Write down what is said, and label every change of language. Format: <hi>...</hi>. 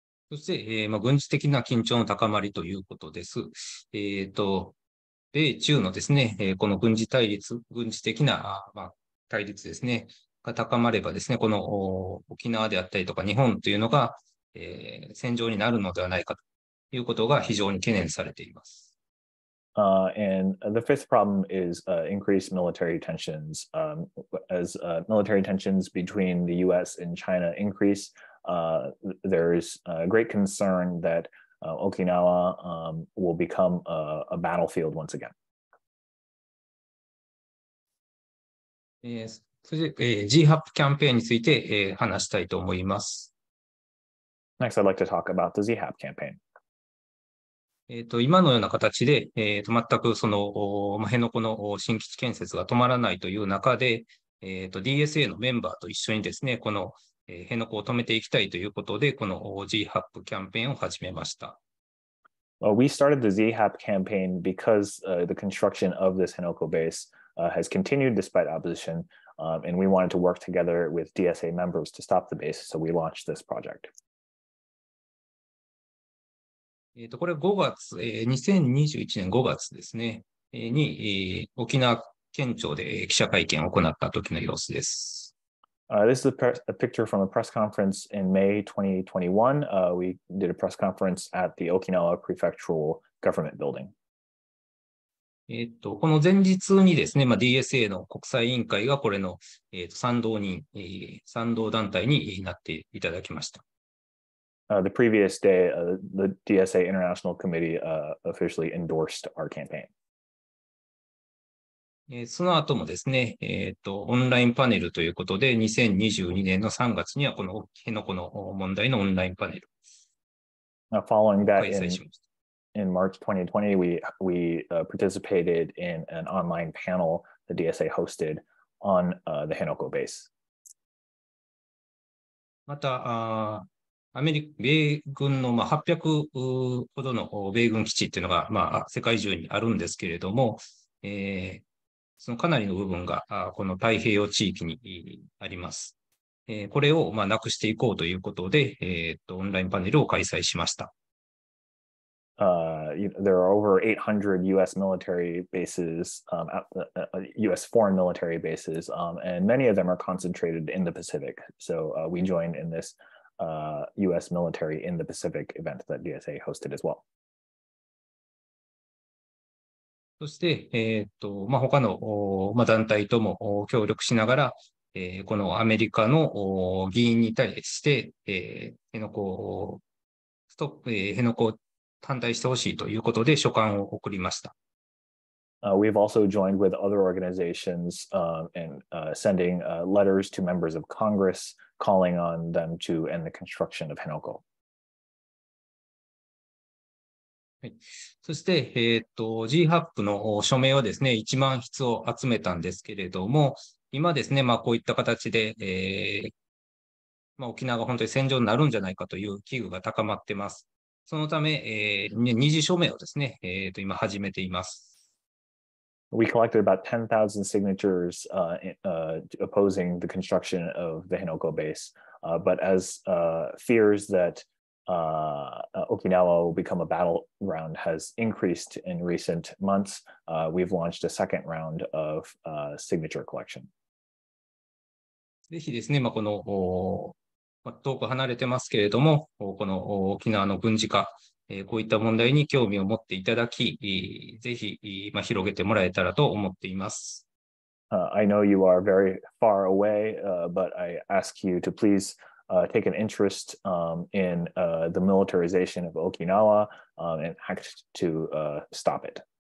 <ja>そして、まあ、軍事的な緊張の高まりということです。米中のですね、この軍事対立、軍事的な、まあ、対立ですね、が高まればですね、この沖縄であったりとか日本というのが、戦場になるのではないかということが非常に懸念されています。</ja> <en>And the fifth problem is increased military tensions. As military tensions between the US and China increase, there is a great concern that Okinawa will become a battlefield once again.</en> <ja>ZHAP キャンペーンについて話したいと思います。</ja> <en>Next, I'd like to talk about the ZHAP campaign.</en> <ja>今のような形で、全くその辺野古の新基地建設が止まらないという中で、DSA のメンバーと一緒にですね、この辺野古を止めていきたいということで、この ZHAP キャンペーンを始めました。</ja> <en>Well, we started the ZHAP campaign because the construction of this Henoko base has continued despite opposition, and we wanted to work together with DSA members to stop the base, so we launched this project.</en> <ja>これ5月、2021年5月ですね、に沖縄県庁で記者会見を行った時の様子です。</ja> <en>This is a picture from a press conference in May 2021. We did a press conference at the Okinawa Prefectural Government Building.</en> <ja>この前日にですね、まあ、DSA の国際委員会がこれの、賛同人、賛同団体になっていただきました。</ja> <en>The previous day, the DSA International Committee officially endorsed our campaign.</en> <ja>その後もですね、オンラインパネルということで、2022年の3月にはこの辺野古の問題のオンラインパネル。</ja> <en>Following that, in, in March 2020, we participated in an online panel the DSA hosted on the Henoko base.</en> <ja>また、アメリカ米軍の800ほどの米軍基地っていうのが、まあ、世界中にあるんですけれども、そのかなりの部分がこの太平洋地域にあります。これを、まあ、なくしていこうということで、オンラインパネルを開催しました。</ja> <en>There are over 800 U.S. military bases, U.S. foreign military bases, and many of them are concentrated in the Pacific. So we joined in this U.S. military in the Pacific event that DSA hosted as well.</en> <ja>そして、まあ、他の、まあ、団体とも協力しながら、このアメリカの議員に対して、辺野古反対してほしいということで書簡を送りました。</ja> <en>We've also joined with other organizations letters to members of Congress calling on them to end the construction of Henoko.、</en> <ja>はい、そして、ZHAP の署名はですね、1万筆を集めたんですけれども、今ですね、まあ、こういった形で、まあ、沖縄が本当に戦場になるんじゃないかという危惧が高まってます。そのため、二次署名をですね、今始めています。</ja> <en>We collected about 10,000 signatures opposing the construction of the Henoko base. But as fears that Okinawa will become a battleground has increased in recent months, we've launched a second round of signature collection.</en> <ja>ぜひですね、まあ、この遠く離れてますけれども、この沖縄の軍事化、こういった問題に興味を持っていただき、ぜひ広げてもらえたらと思っています。</ja> <en>I know you are very far away, but I ask you to please take an interest in the militarization of Okinawa and act to stop it.</en>